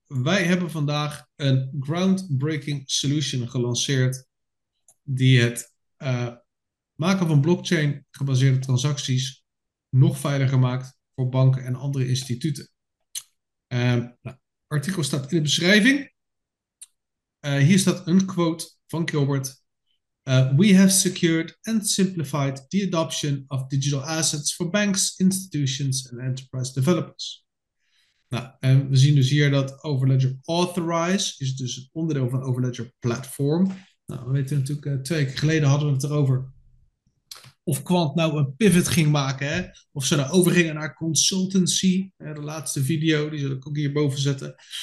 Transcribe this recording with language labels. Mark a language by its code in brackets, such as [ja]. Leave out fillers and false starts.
[nl] Wij hebben vandaag een groundbreaking solution gelanceerd die het maken van blockchain gebaseerde transacties nog veiliger maakt voor banken en andere instituten. Artikel staat in de beschrijving. Hier staat een quote van Gilbert. [en] We have secured and simplified the adoption of digital assets for banks, institutions and enterprise developers. [nl] Nou, en we zien dus hier dat Overledger Authorize is dus het onderdeel van Overledger Platform. Nou, we weten natuurlijk, 2 weken geleden hadden we het erover of Quant nou een pivot ging maken. Hè? Of ze nou overgingen naar consultancy. De laatste video, die zal ik ook hierboven zetten.